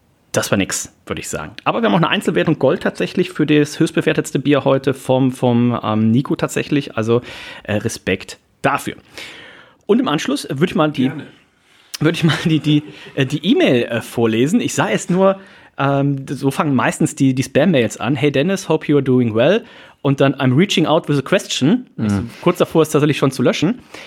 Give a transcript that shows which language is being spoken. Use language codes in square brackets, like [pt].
[de] Das war nix, würde ich sagen. Aber wir haben auch eine Einzelwertung Gold tatsächlich für das höchstbewertetste Bier heute vom Nico tatsächlich. Also Respekt dafür. Und im Anschluss würde ich mal die würde ich mal die E-Mail vorlesen. Ich sah es nur, so fangen meistens die Spam-Mails an. [en] Hey Dennis, hope you are doing well. [de] Und dann, [en] I'm reaching out with a question. Mhm. [de] Also kurz davor ist tatsächlich schon zu löschen.